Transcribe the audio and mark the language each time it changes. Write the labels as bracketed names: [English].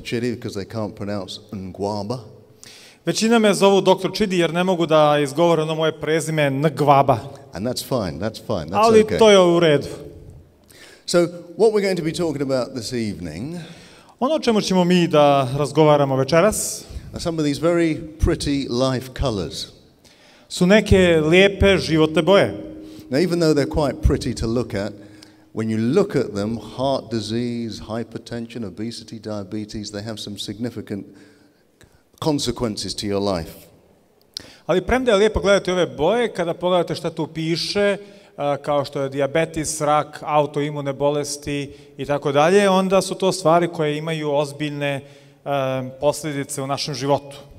[English] Chidi because they can't pronounce Ngwaba. [Bosnian] Većina me zovu Dr. Chidi jer ne mogu da izgovore ono moje prezime Ngwaba. [English] And that's fine, that's fine, that's [Bosnian] Ali [English] okay. [Bosnian] To je u redu. [English] So, what we're going to be talking about this evening, [Bosnian] ono o čemu ćemo mi da razgovaramo večeras, [English] are some of these very pretty life colors. [Bosnian] Su neke lijepe životne boje. [English] Now, even though they're quite pretty to look at, when you look at them, heart disease, hypertension, obesity, diabetes, they have some significant consequences to your life. [Bosnian] Ali premda je lijepo gledati ove boje, kada pogledate šta tu piše, kao što je dijabetes, rak, autoimune bolesti i tako dalje, onda su to stvari koje imaju ozbiljne posljedice u našem životu.